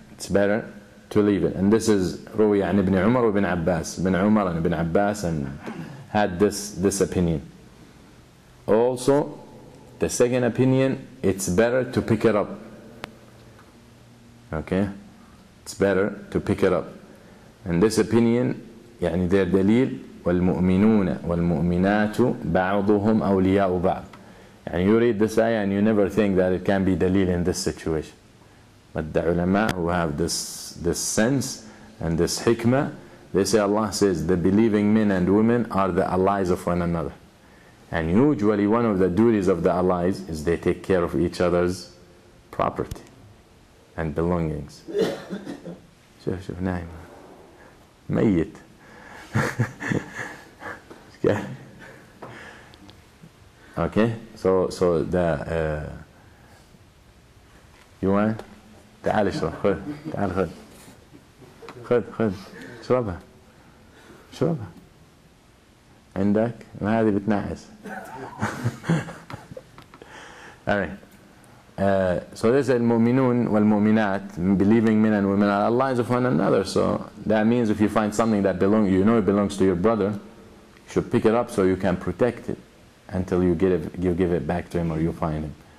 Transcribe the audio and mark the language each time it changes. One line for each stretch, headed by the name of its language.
English: It's better to leave it. And this is Ruwiya an Ibn Umar ibn Abbas. Ibn Umar and Ibn Abbas and had this opinion. Also, the second opinion, it's better to pick it up. Okay? It's better to pick it up. And this opinion,
Arabic: يعني their دليل والمؤمنون والمؤمنات بعضهم أولياء بعض.
English: And you read this ayah and you never think that it can be dalil in this situation. But the ulama who have this sense and this hikmah, they say Allah says the believing men and women are the allies of one another. And usually one of the duties of the allies is they take care of each other's property and belongings.
Arabic: Shuf, Naim. Mayyit.
English: Okay, so the you want?
Arabic: تعال اشرب خذ تعال خذ خذ خذ اشربها اشربها عندك ما هذه بتنعس.
English: Alright, so they say
Arabic: المؤمنون والمؤمنات
English: believing men and women are allies of one another. So that means if you find something that belongs, you know it belongs to your brother, you should pick it up so you can protect it until you give it back to him or you find him.